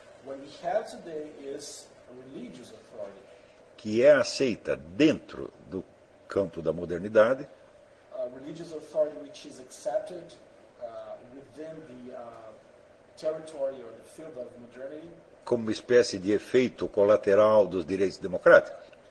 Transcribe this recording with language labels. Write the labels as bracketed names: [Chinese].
[English] What we have today is a religious authority. [Portuguese] Que é aceita dentro do campo da modernidade. [English] A religious authority which is accepted within the territory or the field of modernity. [Portuguese] Como uma espécie de efeito colateral dos direitos democráticos.